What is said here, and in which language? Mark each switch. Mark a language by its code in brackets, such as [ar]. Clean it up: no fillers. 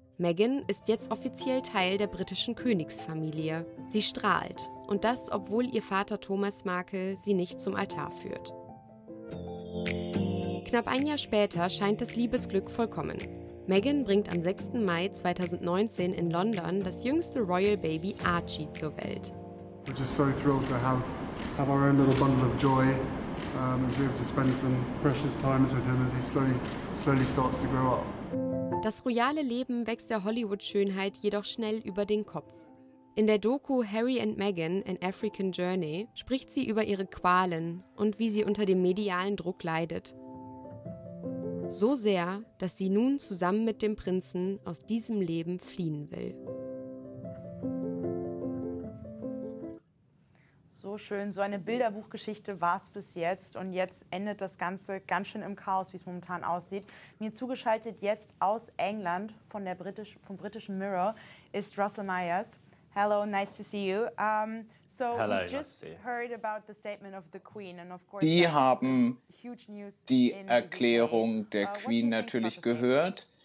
[de] Meghan ist jetzt offiziell Teil der britischen Königsfamilie. Sie strahlt. Und das, obwohl ihr Vater Thomas Markle sie nicht zum Altar führt. Knapp ein Jahr später scheint das Liebesglück vollkommen. Meghan bringt am 6. Mai 2019 in London das jüngste Royal Baby Archie zur Welt. [en] We're just so thrilled to have our own little bundle of joy and be able to spend some precious times with him as he slowly starts to grow up. [de] Das royale Leben wächst der Hollywood-Schönheit jedoch schnell über den Kopf. In der Doku Harry and Meghan – An African Journey spricht sie über ihre Qualen und wie sie unter dem medialen Druck leidet. So sehr, dass sie nun zusammen mit dem Prinzen aus diesem Leben fliehen will. So schön, so eine Bilderbuchgeschichte war es bis jetzt. Und jetzt endet das Ganze ganz schön im Chaos, wie es momentan aussieht. Mir zugeschaltet jetzt aus England vom britischen Mirror ist Russell Myers. [en] Hello, nice to see you. Hello, we just heard about the statement of the Queen, and of course, [de] die haben [en] huge news [de] die Erklärung der Queen natürlich gehört.